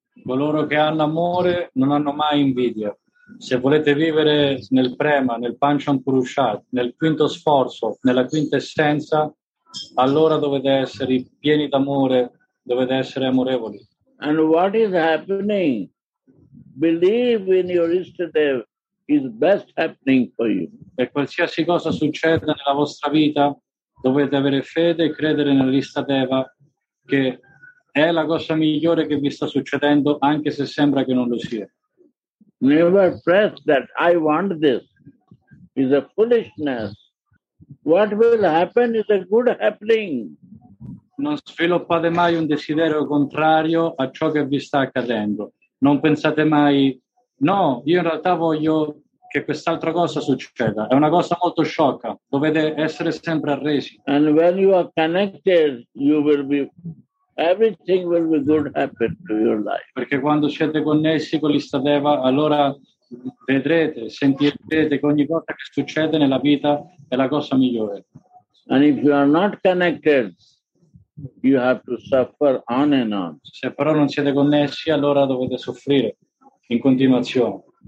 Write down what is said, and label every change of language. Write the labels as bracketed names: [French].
[Italian] Coloro che hanno amore non hanno mai invidia. Se volete vivere nel prema, nel pancham purushat, nel quinto sforzo, nella quinta essenza, allora dovete essere pieni d'amore, dovete essere amorevoli. [English] And what is happening? Believe in your istadev is best happening for you. [Italian] E qualsiasi cosa succeda nella vostra vita, dovete avere fede e credere nell'istadeva che è la cosa migliore che vi sta succedendo, anche se sembra che non lo sia. [English] Never press that I want this is a foolishness. What will happen is a good happening. [Italian] Non sviluppate mai un desiderio contrario a ciò che vi sta accadendo. Non pensate mai, no, io in realtà voglio che quest'altra cosa succeda. È una cosa molto sciocca. Dovete essere sempre arresi. [English] And when you are connected, you will be. Everything will be good happen to your life. [Italian] Perché quando siete connessi con l'Istadeva, allora vedrete, sentirete che ogni cosa che succede nella vita è la cosa migliore. [English] And if you are not connected, you have to suffer on and on. [Italian] Se però non siete connessi, allora dovete soffrire in continuazione.